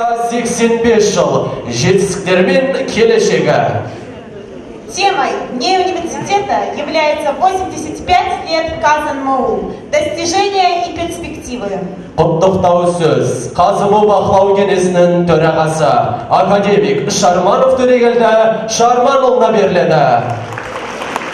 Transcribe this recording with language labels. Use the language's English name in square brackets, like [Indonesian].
[Kazakh] Жетістіктермен келешегі. [Russian] Темой дней университета является 85 лет КАЗНМУ. Достижения и перспективы. [Kazakh] Құттықтау сөз. КАЗНМУ бақылау кеңесінің төрағасы. Академик Шарманов төрегелді Шарманұлына беріледі.